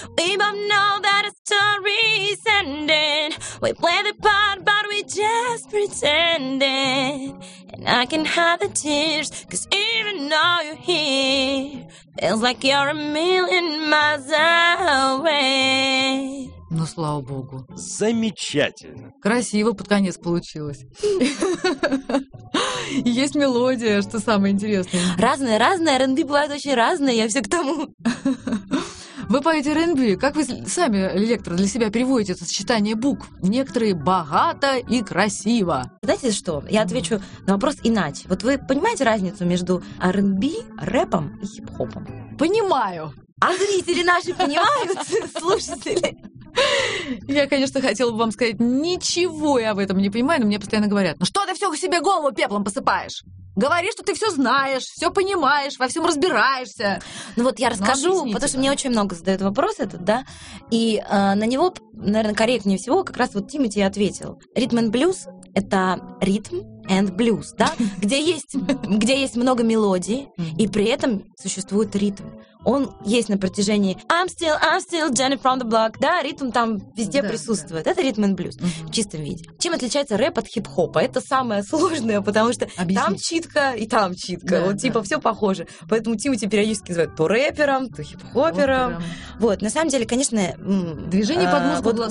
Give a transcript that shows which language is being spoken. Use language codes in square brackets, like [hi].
[en] We both know that a story's ending. We play the part, but we just pretend it. And I can hide the tears, cause even though you're here, feels like you're a million miles away. [ru] Ну, слава богу. Замечательно. Красиво под конец получилось. Есть мелодия, что самое интересное. Разные, R&B бывают очень разные, я все к тому. Вы поете R&B. Как вы сами, Электра, для себя переводите это сочетание букв? Некоторые богато и красиво. Знаете что? Я отвечу на вопрос иначе. Вот вы понимаете разницу между R&B, рэпом и хип-хопом? Понимаю. А зрители наши понимают, слушатели? Я, конечно, хотела бы вам сказать, ничего я в этом не понимаю, но мне постоянно говорят, ну что ты все себе голову пеплом посыпаешь? Говори, что ты все знаешь, все понимаешь, во всем разбираешься. Ну вот я расскажу, ну, потому что мне очень много задают вопрос этот, да, и на него, наверное, корректнее всего как раз вот Тимати ответил. Rhythm and blues — это ритм and blues, да, где есть много мелодий, и при этом существует ритм. Он есть на протяжении [en] I'm still Jenny from the block. [ru] Да, ритм там везде, да, присутствует. Да. Это ритм и блюз в чистом виде. Чем отличается рэп от хип-хопа? Это самое сложное, потому что там читка и там читка. Да, вот да. Типа все похоже. Поэтому Тимати периодически называют то рэпером, то хип-хопером. Вот, на самом деле, конечно... Движение под музыку.